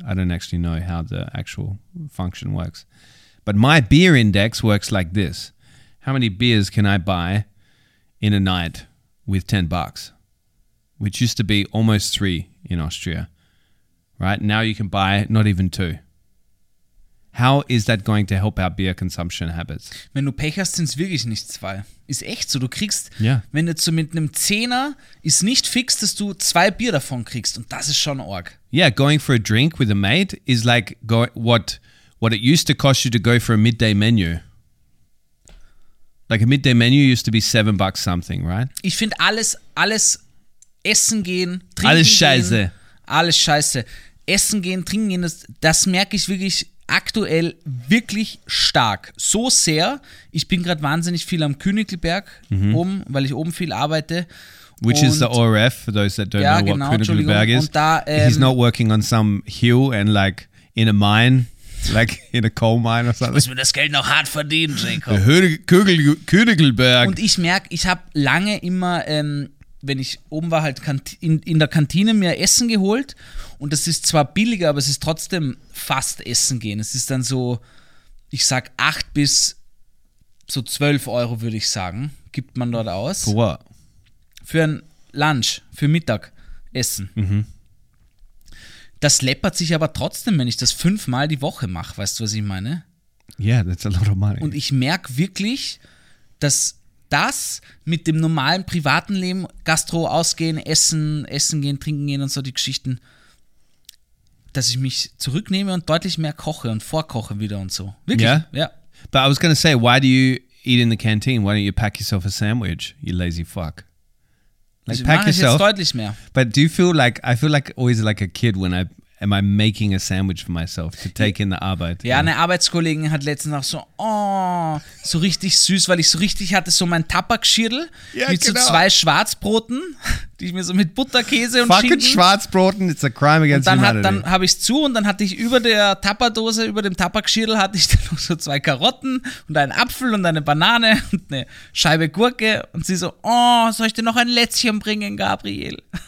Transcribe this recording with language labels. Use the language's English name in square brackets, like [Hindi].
[English] I don't actually know how the actual function works. But my beer index works like this. How many beers can I buy in a night with $10? Which used to be almost three in Austria. Right? Now you can buy not even two. How is that going to help our beer consumption habits? [German] Wenn du Pech hast, sind es wirklich nicht zwei. Ist echt so. Du kriegst, yeah. Wenn du so mit einem Zehner, ist nicht fix, dass du zwei Bier davon kriegst. Und das ist schon arg. [English] Yeah, going for a drink with a mate is like what it used to cost you to go for a midday menu. Like a midday menu used to be $7 something, right? [German] Ich finde alles essen gehen, trinken gehen. Alles scheiße. Essen gehen, trinken gehen, das merke ich wirklich aktuell wirklich stark. So sehr. Ich bin gerade wahnsinnig viel am Königlberg oben, weil ich oben viel arbeite. [English] Which is the ORF, for those that don't know what Königlberg is. [German] Und da, [English] he's not working on some hill and like in a mine. Like in a coal mine or something. [German] Muss mir das Geld noch hart verdienen, Jacob. Königelberg. Und ich merke, ich habe lange immer, wenn ich oben war, halt in der Kantine mir Essen geholt. Und das ist zwar billiger, aber es ist trotzdem fast Essen gehen. Es ist dann so, ich sag 8 bis so 12 Euro, würde ich sagen, gibt man dort aus. [English] For what? [German] Für ein Lunch, für Mittagessen. Mhm. Das läppert sich aber trotzdem, wenn ich das 5-mal die Woche mache, weißt du, was ich meine? [English] Yeah, that's a lot of money. [German] Und ich merke wirklich, dass das mit dem normalen privaten Leben, Gastro ausgehen, essen gehen, trinken gehen und so die Geschichten, dass ich mich zurücknehme und deutlich mehr koche und vorkoche wieder und so. Wirklich? [English] Yeah? Yeah. But I was going to say, why do you eat in the canteen? Why don't you pack yourself a sandwich, you lazy fuck? Like pack yourself. [German] Jetzt deutlich mehr. [English] But do you feel like, I feel like always like a kid when I, am I making a sandwich for myself to take in the Arbeit? [German] Ja, eine Arbeitskollegin hat letztens auch so, oh, so richtig süß, weil ich so richtig hatte so mein Tabakschirdel so zwei Schwarzbroten, die ich mir so mit Butterkäse und [English] fucking [German] Schinken. [English] Schwarzbroten, it's a crime against humanity. [German] Und dann habe ich es zu und dann hatte ich über der Tupperdose, über dem Tabakschirdel hatte ich dann noch so zwei Karotten und einen Apfel und eine Banane und eine Scheibe Gurke und sie so, oh, soll ich dir noch ein Lätzchen bringen, Gabriel?